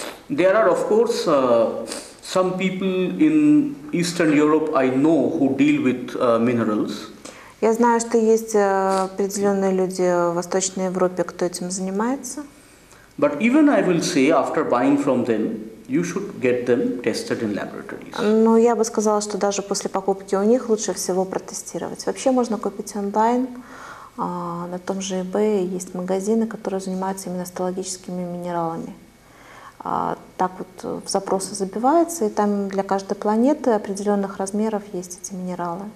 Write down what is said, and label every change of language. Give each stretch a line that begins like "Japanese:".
English: There are, of course, some people in Eastern Europe I know who deal with minerals.
Russian: Я знаю, что есть определенные люди в Восточной Европе, кто этим занимается.
English: But even I will say, after buying from them, you should get them tested in laboratories.
Russian: Но я бы сказала, что даже после покупки у них лучше всего протестировать. Вообще можно купить онлайн. На том же eBay есть магазины, которые занимаются именно астрологическими минералами. Так вот в запросы забивается, и там для каждой планеты определенных размеров есть эти минералы.